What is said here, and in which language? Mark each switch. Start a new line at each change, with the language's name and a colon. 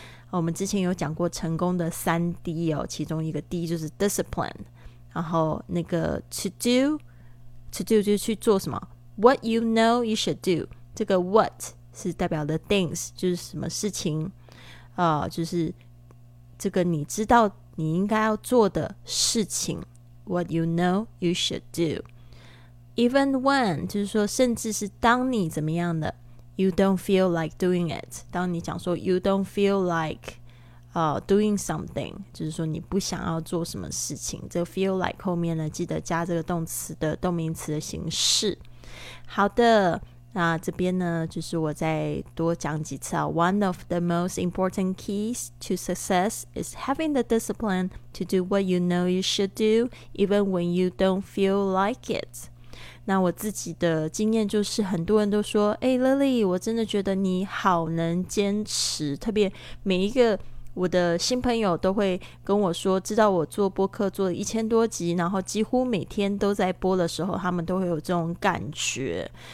Chinese: 我们之前有讲过成功的三 D 哦，其中一个 D 就是 discipline， 然后那个
English: to do
Chinese: 就是去做什么
English: what you know you should do，
Chinese: 这个 what 是代表的 things， 就是什么事情就是这个你知道你应该要做的事情， what you know you should do，
English: even when
Chinese: 就是说甚至是当你怎么样的
English: You don't feel like doing it.
Chinese: 当你讲说
English: you don't feel like doing something，
Chinese: 就是说你不想要做什么事情。这个 feel like 后面呢，记得加这个动词的动名词的形式。好的，那这边呢，就是我再多讲几次啊。
English: One of the most important keys to success is having the discipline to do what you know you should do, even when you don't feel like it.
Chinese: 那我自己的经验就是很多人都说诶 Lily 我真的觉得你好能坚持，特别每一个我的新朋友都会跟我说，知道我做播客做了1000多集，然后几乎每天都在播的时候，他们都会有这种感觉。